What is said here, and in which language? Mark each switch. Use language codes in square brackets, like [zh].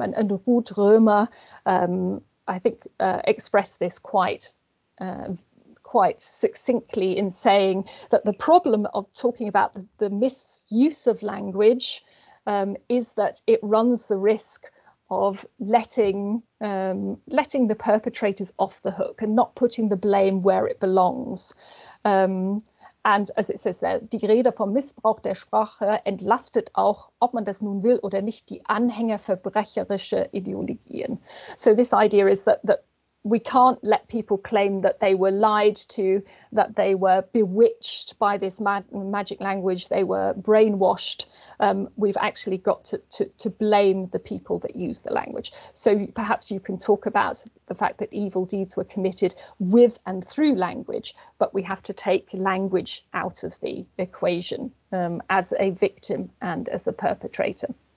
[en] And Ruth Römer, I think, expressed this quite succinctly in saying that the problem of talking about the misuse of language is that it runs the risk of letting the perpetrators off the hook and not putting the blame where it belongs. And as it says there, [de] die Rede vom Missbrauch der Sprache entlastet auch, ob man das nun will oder nicht, die Anhänger verbrecherischer Ideologien. [en] So this idea is that we can't let people claim that they were lied to, that they were bewitched by this magic language, they were brainwashed. We've actually got to blame the people that use the language. So perhaps you can talk about the fact that evil deeds were committed with and through language, but we have to take language out of the equation as a victim and as a perpetrator.